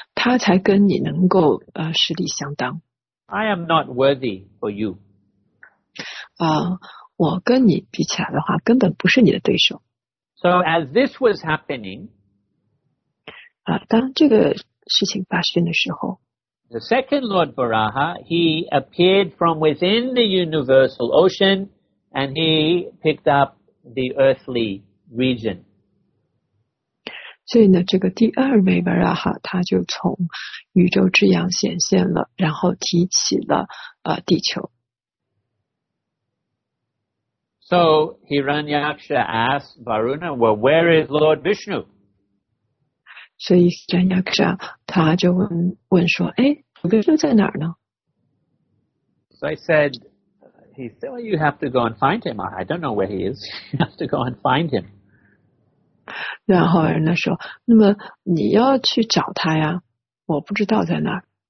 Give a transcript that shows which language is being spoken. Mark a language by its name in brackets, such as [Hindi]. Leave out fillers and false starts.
[Chinese] 他才跟你能够实力相当。 [English] I am not worthy for you. [Chinese] 我跟你比起来的话根本不是你的对手。 [English] So as this was happening, [Chinese] 当这个事情发生的时候 [English] the second Lord Varaha, he appeared from within the universal ocean and he picked up the earthly region. [Chinese] 所以呢，这个第二位 Varaha, 他就从宇宙之阳显现了，然后提起了地球。 [English] So Hiranyaksha asked Varuna, "Well, where is Lord Vishnu?" So [Chinese] Hiranyaksha, 他就问说，哎，维修在哪儿呢？ [English] So he said, "Well, you have to go and find him. I don't know where he is. You have to go and find him." [Chinese] 然后人家说，那么你要去找他呀，我不知道在哪儿。